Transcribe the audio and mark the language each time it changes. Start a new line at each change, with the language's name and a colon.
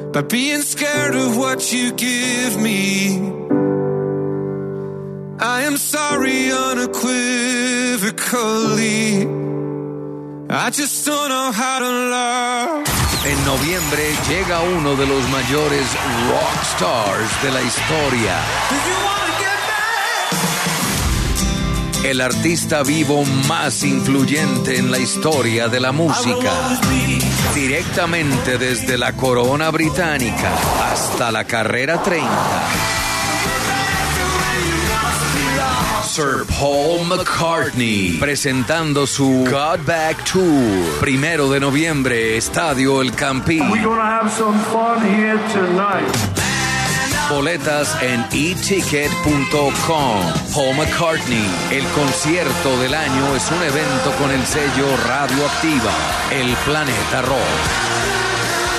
English: Being scared of what you give me, I am sorry unequivocally. I just don't know how to love.
Spanish: En noviembre llega uno de los mayores rock stars de la historia. El artista vivo más influyente en la historia de la música. Directamente desde la corona británica hasta la carrera 30. Sir Paul McCartney, presentando su Got Back Tour. Primero de noviembre, Estadio El Campín.
English: We're gonna have some fun here tonight.
Spanish: Boletas en eticket.com. Paul McCartney, el concierto del año, es un evento con el sello Radioactiva, el planeta rock.